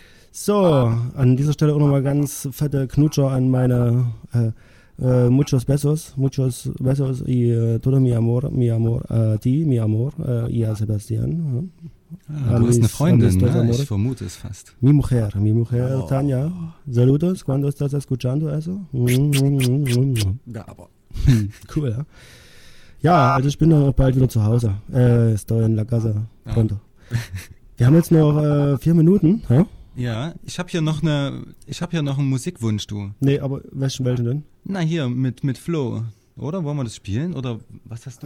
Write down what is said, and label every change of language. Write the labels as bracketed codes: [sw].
[de] So, an dieser Stelle auch nochmal ganz fette Knutscher an meine [es] Muchos besos y todo mi amor, y a Sebastián. [de] Ah, du bist eine Freundin, ne? Ich vermute es fast. [es] Mi mujer, oh. Tania. Saludos, cuando estás escuchando eso? [de] Ja, aber. Cool, ja. Ja, also ich bin noch bald wieder zu Hause. [es] Estoy en la casa pronto. [de] Wir haben jetzt noch 4 Minuten, ja? Ja, ich habe hier noch einen Musikwunsch, du. Nee, aber welchen denn? Na hier, mit Flo, oder? Wollen wir das spielen? Oder was hast du?